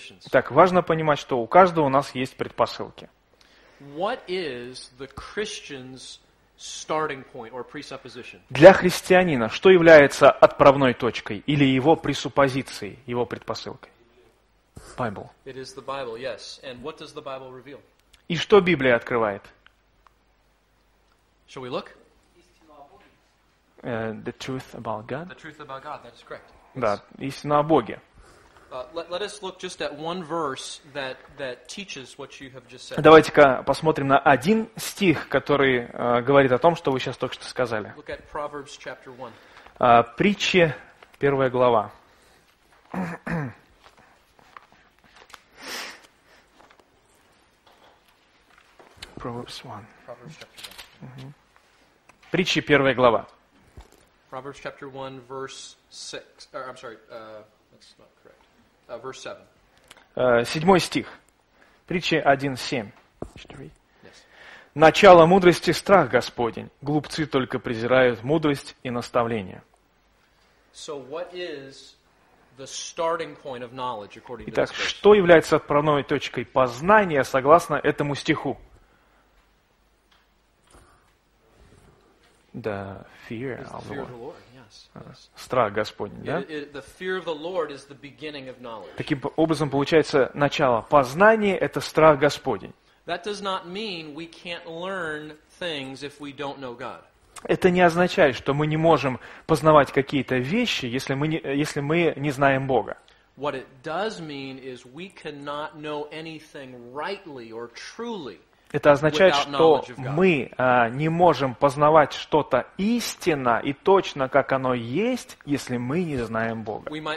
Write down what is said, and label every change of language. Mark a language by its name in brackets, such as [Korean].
[Russian] Так, важно понимать, что у каждого у нас есть предпосылки. [English] What is the Christian's starting point or presupposition? [Russian] Для христианина, что является отправной точкой или его пресуппозицией, его предпосылкой? [English] Bible. It is the Bible, yes. And what does the Bible reveal? [Russian] И что Библия открывает? [English] Shall we look? The truth about God. The truth about God, that is correct. [Russian] Да, истина о Боге. [English] Let us look just at one verse that teaches what you have just said. [Russian] Давайте-ка посмотрим на один стих, который говорит о том, что вы сейчас только что сказали. [English] Look at Proverbs chapter 1. [Russian] Притчи, первая глава. [English] Proverbs 1. Proverbs chapter 1. [Russian] Угу. Притчи, первая глава. [English] Proverbs chapter 1, verse 6. I'm sorry, that's not correct. Verse 7. [Russian] Седьмой стих. Притчи 1:7. [English] Yes. [Russian] Начало мудрости – страх Господень. Глупцы только презирают мудрость и наставление. [English] So what is the starting point of knowledge, according to this verse? [Russian] Итак, что является отправной точкой познания, согласно этому стиху? [English] The fear of the Lord. [Russian] Страх Господень, да? [English] The fear of the Lord is the beginning of knowledge. [Russian] Таким образом, получается, начало познания – это страх Господень. [English] That does not mean we can't learn things if we don't know God. [Russian] Это не означает, что мы не можем познавать какие-то вещи, если мы не знаем Бога. [English] What it does mean is we cannot know anything rightly or truly. [Russian] Это означает, что мы не можем познавать что-то истинно и точно, как оно есть, если мы не знаем Бога.